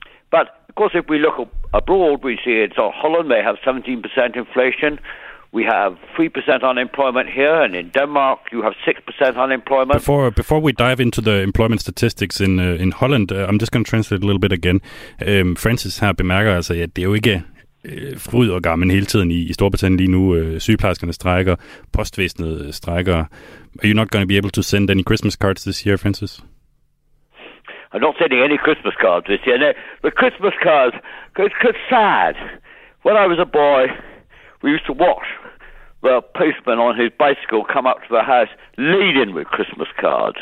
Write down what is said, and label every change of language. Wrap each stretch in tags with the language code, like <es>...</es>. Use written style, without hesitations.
<en>But, of course, if we look abroad, we see it's Holland may have 17% inflation. We have 3% unemployment here, and in Denmark, you have 6% unemployment. Before we dive into the employment statistics in Holland, I'm just going to translate a little bit again.</en> <da>Francis her bemærker altså, at det er jo ikke fryd og gammel hele tiden i Storbritannien lige nu. Sygeplejerskerne strækker, postvæsenet strækker.</da> <en>Are you not going to be able to send any Christmas cards this year, Francis? I'm not sending any Christmas cards this year. The Christmas cards, it's sad. When I was a boy... We used to watch the postman on his bicycle come up to the house laden with Christmas cards.</en>